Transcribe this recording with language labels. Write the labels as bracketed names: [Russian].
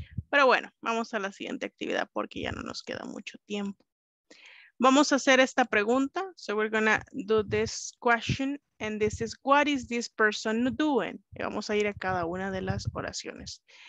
[Spanish] Pero bueno, vamos a la siguiente actividad porque ya no nos queda mucho tiempo. Vamos a hacer esta pregunta. [English] So we're gonna do this question. And this is, what is this person doing? [Spanish] Y vamos a ir a cada una de las oraciones.